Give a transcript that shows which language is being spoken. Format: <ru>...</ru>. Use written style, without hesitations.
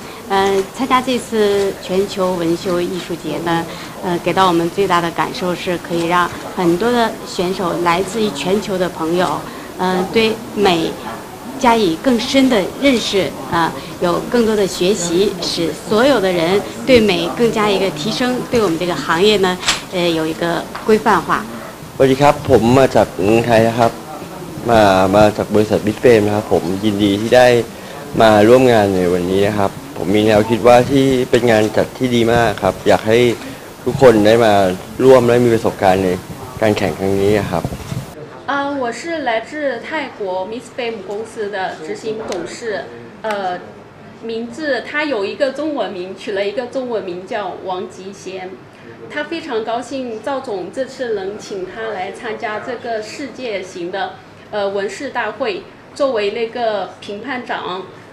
<zh>参加这次全球纹绣艺术节呢，给到我们最大的感受是可以让很多的选手来自于全球的朋友，对美加以更深的认识啊，有更多的学习，使所有的人对美更加一个提升，对我们这个行业呢，有一个规范化。</zh> <th>สวัสดีครับผมมาจากกรุงไทยนะครับมาจากบริษัทบิ๊กเฟรมนะครับผมยินดีที่ได้มาร่วมงานในวันนี้นะครับผมมีแนวคิดว่าที่เป็นงานจัดที่ดีมากครับอยากให้ทุกคนได้มาร่วมและมีประสบการณ์ในการแข่งครั้งนี้นะครับ</th> <zh>我是来自泰国 Miss Fame 公司的执行董事，名字他有一个中文名，取了一个中文名叫王吉贤。他非常高兴赵总这次能请他来参加这个世界型的纹饰大会，作为那个评判长。</zh>